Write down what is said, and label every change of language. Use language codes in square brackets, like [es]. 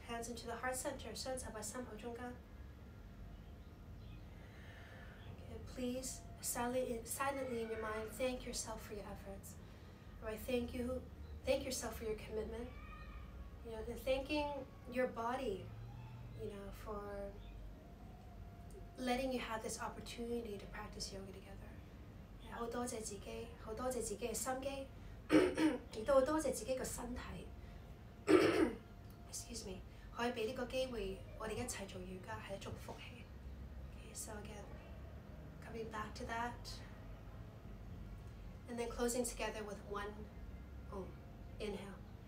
[en] Hands into the heart center. Okay, please silently in your mind, thank yourself for your efforts. Right, thank you. Thank yourself for your commitment. You know, and thanking your body, you know, for letting you have this opportunity to practice yoga together. [yue] 好多謝自己，好多謝自己嘅心機，亦都好多謝自己嘅身體。 [en] Excuse me. [yue] 可以俾呢個機會，我哋一齊做瑜伽係一種福氣。 [en] Okay, so again, coming back to that, and then closing together with one, inhale.